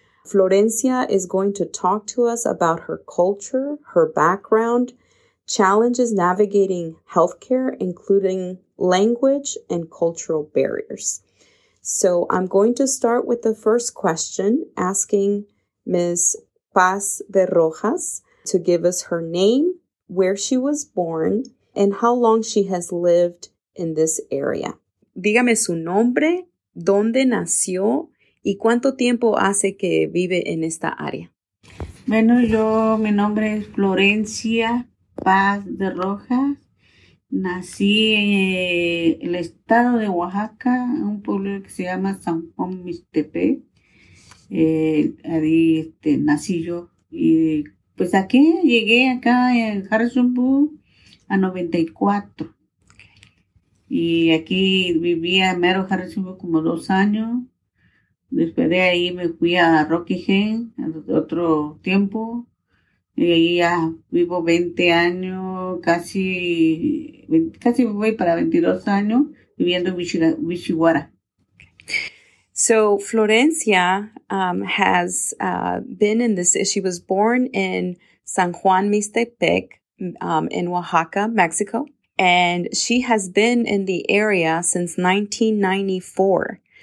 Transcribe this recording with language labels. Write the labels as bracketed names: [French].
[English] Florencia is going to talk to us about her culture, her background, challenges navigating healthcare, including language and cultural barriers. So I'm going to start with the first question, asking Ms. Paz de Rojas to give us her name, where she was born, and how long she has lived in this area. [Spanish] Dígame su nombre, dónde nació, y cuánto tiempo hace que vive en esta área. Bueno, mi nombre es Florencia Paz de Rojas. Nací en el estado de Oaxaca, en un pueblo que se llama San Juan Mixtepe. Ahí nací yo. Y pues aquí llegué acá en Harrisonburg a 94. Y aquí vivía en mero Harrisonburg como 2 años. Después de ahí me fui a Rockingham otro tiempo. Y ahí ya vivo 20 años, casi voy para 22 años viviendo en Vichiguara. [English] So Florencia has been in this, she was born in San Juan Mixtepec in Oaxaca, Mexico. And she has been in the area since 1994.